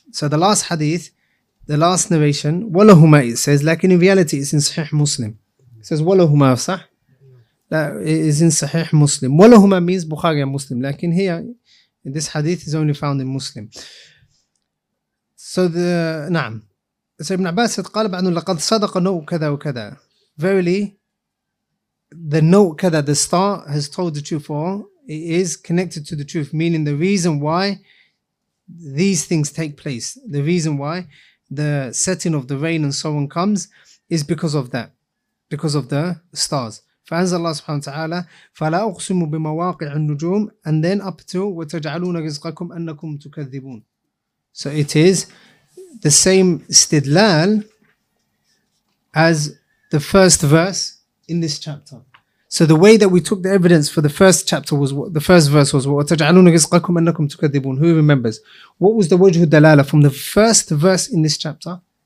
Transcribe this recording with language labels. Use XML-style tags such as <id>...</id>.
<en>So the last hadith, the last narration,</en> <ar>وَلَهُمَا,</ar> <en>it says, like in reality it's in Sahih Muslim. It says</en> <ar>وَلَهُمَا, صح؟</ar> <en>It is in Sahih Muslim.</en> <ar>وَلَهُمَا</ar> <en>means Bukhari and Muslim. Like in here, this hadith is only found in Muslim. So the</en> <ar>نعم.</ar> <en>So Ibn Abbas said,</en> <ar>قال بعنه لقد صدق نوء كذا وكذا.</ar> <en>Verily, the</en> <ar>نوء كذا,</ar> <en>the star has told the truth, or it is connected to the truth, meaning the reason why these things take place, the reason why the setting of the rain and so on comes, is because of that, because of the stars.</en> <ar>فأنزل الله سبحانه وتعالى فلا أقسم بمواقع النجوم</ar> <en>and then up to</en> <ar>وتجعلون رزقكم أنكم تكذبون.</ar> <en>So it is the same استدلال as the first verse in this chapter. So the way that we took the evidence for the first chapter was what, the first verse was</en> <ar>وَتَجْعَلُونَ رِزْقَكُمْ أَنَّكُمْ تُكَذِّبُونَ.</ar> <en>Who remembers? What was the</en> <ar>وَجْهُ الدَّلَالَةِ</ar> <en>from the first verse in this chapter?</en>